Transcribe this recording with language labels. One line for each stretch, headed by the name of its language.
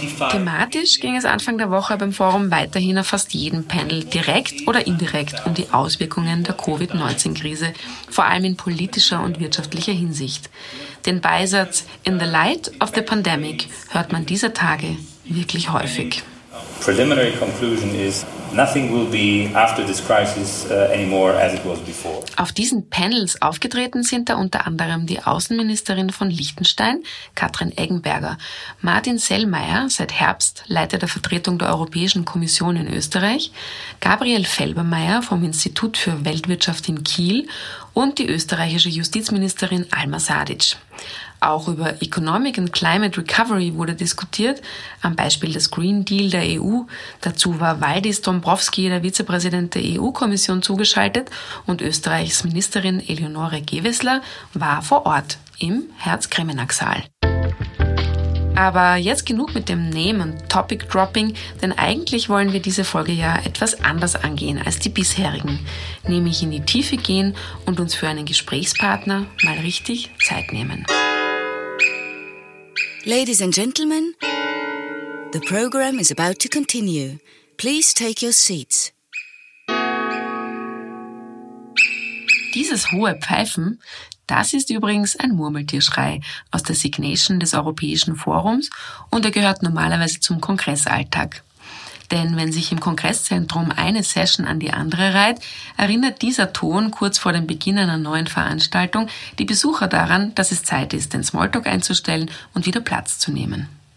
German: Thematisch ging es Anfang der Woche beim Forum weiterhin auf fast jedem Panel direkt oder indirekt um die Auswirkungen der Covid-19-Krise, vor allem in politischer und wirtschaftlicher Hinsicht. Den Beisatz
English: "In the light of the pandemic"
German: hört man dieser Tage wirklich häufig.
English: Preliminary conclusion is nothing will be after this crisis anymore as it was before.
German: Auf diesen Panels aufgetreten sind da unter anderem die Außenministerin von Liechtenstein, Katrin Eggenberger, Martin Sellmeier, seit Herbst Leiter der Vertretung der Europäischen Kommission in Österreich, Gabriel Felbermeier vom Institut für Weltwirtschaft in Kiel und die österreichische Justizministerin Alma Sadic. Auch über
English: Economic and Climate Recovery
German: wurde diskutiert, am Beispiel des Green Deal der EU. Dazu war Valdis Dombrovski, der Vizepräsident der EU-Kommission, zugeschaltet, und Österreichs Ministerin Eleonore Gewessler war vor Ort im Herz-Kremenag-Saal. Aber jetzt genug mit dem Name und Topic Dropping, denn eigentlich wollen wir diese Folge ja etwas anders angehen als die bisherigen. Nämlich in die Tiefe gehen und uns für einen Gesprächspartner mal richtig Zeit nehmen.
English: Ladies and gentlemen, the program is about to continue. Please take your seats.
German: Dieses hohe Pfeifen, das ist übrigens ein Murmeltierschrei aus der Signation des Europäischen Forums und er gehört normalerweise zum Kongressalltag. Denn wenn sich im Kongresszentrum eine Session an die andere reiht, erinnert dieser Ton kurz vor dem Beginn einer neuen Veranstaltung die Besucher daran, dass es Zeit ist, den Smalltalk einzustellen und wieder Platz zu nehmen.